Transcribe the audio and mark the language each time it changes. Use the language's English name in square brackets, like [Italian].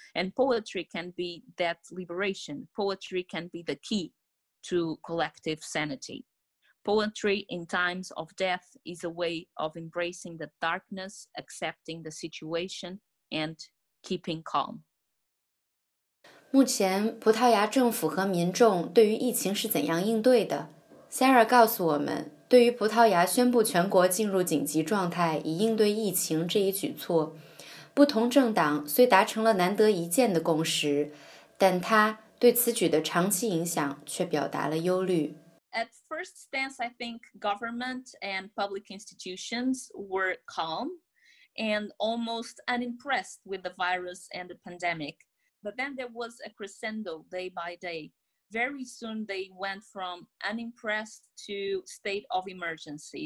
[English] And poetry can be that liberation. Poetry can be the key to collective sanity. Poetry in times of death is a way of embracing the darkness, accepting the situation, and keeping calm. [Chinese] 目前葡萄牙政府和民众对于疫情是怎样应对的？ Sarah 告诉我们，对于葡萄牙宣布全国进入紧急状态以应对疫情这一举措，不同政党虽达成了难得一见的共识，但他对此举的长期影响却表达了忧虑。 [English] At first stance, I think government and public institutions were calm and almost unimpressed with the virus and the pandemic. But then there was a crescendo day by day. Very soon they went from unimpressed to state of emergency.